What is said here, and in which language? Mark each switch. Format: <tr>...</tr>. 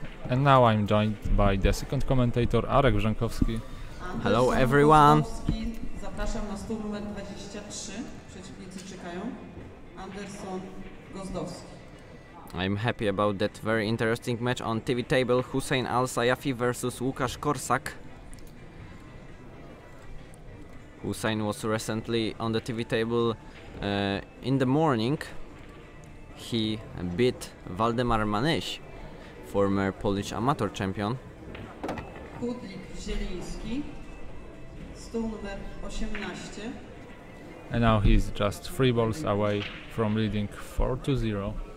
<en>And now I'm joined by the second commentator, Arek Brzękowski. Hello everyone!</en> <pl>Zapraszam na stół numer 23. Przeciwnicy czekają. Anderson Gozdowski.</pl> <en>I'm happy about that very interesting match on TV table. Hussein Al-Sayafi versus Łukasz Korsak. Hussein was recently on the TV table in the morning. He beat Waldemar Manyś, former Polish amateur champion.</en> <pl>Kudlik Zieliński, stół numer 18.</pl> <en>And now he's just 3 balls away from leading 4-0.</en>